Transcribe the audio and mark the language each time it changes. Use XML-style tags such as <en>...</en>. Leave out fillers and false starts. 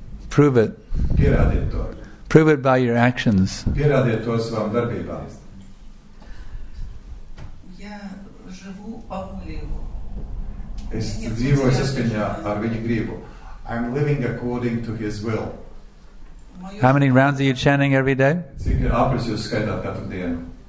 <en>Prove it.</en> <lv>Pierādiet to.</lv> <en>Prove it by your actions.</en> <lv>Pierādiet to savām darbībām. Ja živu pa gulīvu. Es dzīvoju saskaņā ar viņa gribu.</lv> <en>I'm living according to his will. How many rounds are you chanting every day?</en> <lv>Cik apres jūs skaitāt katru dienu?</lv>